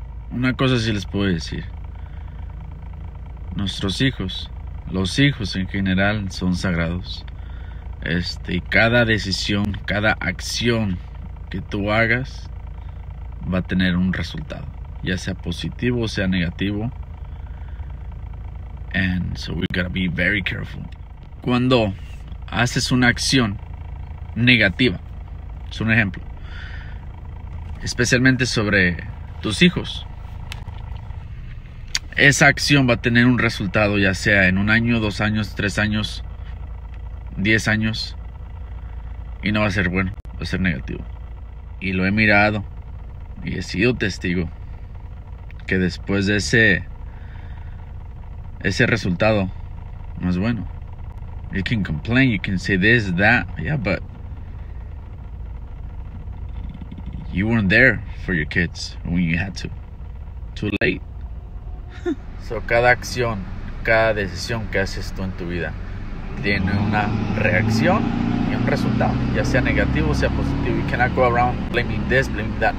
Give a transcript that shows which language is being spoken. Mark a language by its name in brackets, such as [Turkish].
[Spanish] Una cosa sí les puedo decir. Nuestros hijos, los hijos en general, son sagrados. Y cada decisión, cada acción que tú hagas va a tener un resultado, ya sea positivo o sea negativo. [English] And so we gotta be very careful. [Spanish] Cuando haces una acción negativa, es un ejemplo, especialmente sobre tus hijos, esa acción va a tener un resultado, ya sea en un año, 2 años, 3 años, 10 años, y no va a ser bueno, va a ser negativo. Y lo he mirado y he sido testigo que después de ese resultado no es bueno. [English] You can complain, you can say this, that, yeah, but you weren't there for your kids when you had to. Too late. [Spanish] So, cada acción, cada decisión que haces tú en tu vida tiene una reacción y un resultado, ya sea negativo o sea positivo. [English] You cannot go around blaming this, blaming that.